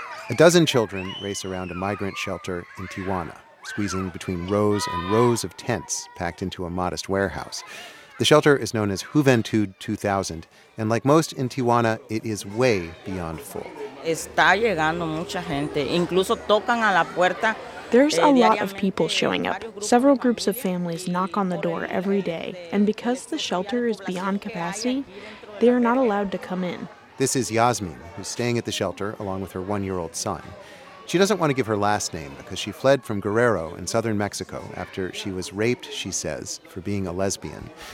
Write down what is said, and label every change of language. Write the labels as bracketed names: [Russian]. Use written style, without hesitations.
[English] A dozen children race around a migrant shelter in Tijuana, squeezing between rows and rows of tents packed into a modest warehouse. The shelter is known as Juventud 2000, and like most in Tijuana, it is way beyond full. [Spanish] Está llegando mucha gente, incluso tocan a la puerta. [English] There's a lot of people showing up. Several groups of families knock on the door every day, and because the shelter is beyond capacity, they are not allowed to come in. This is Yasmin, who's staying at the shelter along with her one-year-old son. She doesn't want to give her last name because she fled from Guerrero in southern Mexico after she was raped, she says, for being a lesbian.